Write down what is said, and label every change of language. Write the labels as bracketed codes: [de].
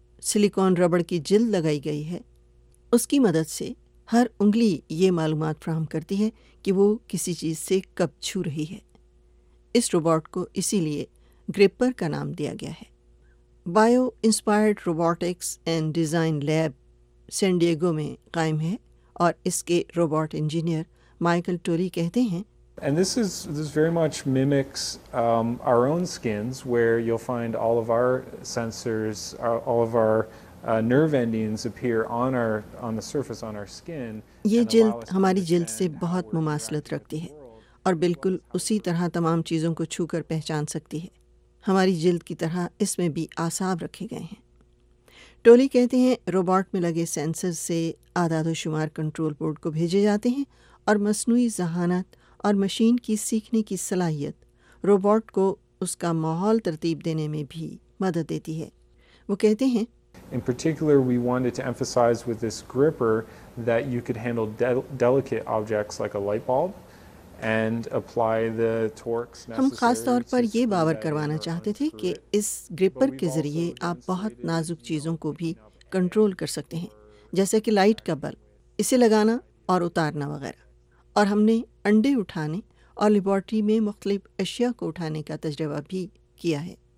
[ur] Silicone rubber کی جلد لگائی گئی ہے، اس کی مدد سے ہر انگلی یہ معلومات فراہم کرتی ہے کہ وہ کسی چیز سے کب چھو رہی ہے۔ اس روبوٹ کو اسی لیے گرپر کا نام دیا گیا ہے۔ Bio inspired robotics and design lab سین ڈیگو میں قائم ہے، اور اس کے روبوٹ انجینئر مائیکل ٹوری کہتے ہیں [en] And this very much mimics our own skins, where you'll find all of our sensors, all of our nerve endings appear on the surface on our skin. [ur] یہ جلد ہماری جلد سے بہت مماثلت رکھتی ہے، اور بالکل اسی طرح تمام چیزوں کو چھو کر پہچان سکتی ہے۔ ہماری جلد کی طرح اس میں بھی اعصاب رکھے گئے ہیں۔ ٹولی کہتے ہیں روبوٹ میں لگے سینسر سے اعداد و شمار کنٹرول بورڈ کو بھیجے جاتے ہیں، اور مصنوعی ذہانت اور مشین کی سیکھنے کی صلاحیت روبوٹ کو اس کا ماحول ترتیب دینے میں بھی مدد دیتی ہے۔ وہ کہتے ہیں [en] In particular, we wanted to emphasize with this gripper that you could handle delicate objects like a light bulb and apply the torques necessary. [ur] ہم خاص طور پر یہ باور کروانا چاہتے تھے کہ اس گرپر کے ذریعے آپ بہت نازک چیزوں کو بھی کنٹرول کر سکتے ہیں، جیسے کہ لائٹ کا بلب، اسے لگانا اور اتارنا وغیرہ۔ اور ہم نے انڈے اٹھانے اور لیبورٹری میں مختلف اشیاء کو اٹھانے کا تجربہ بھی کیا ہے۔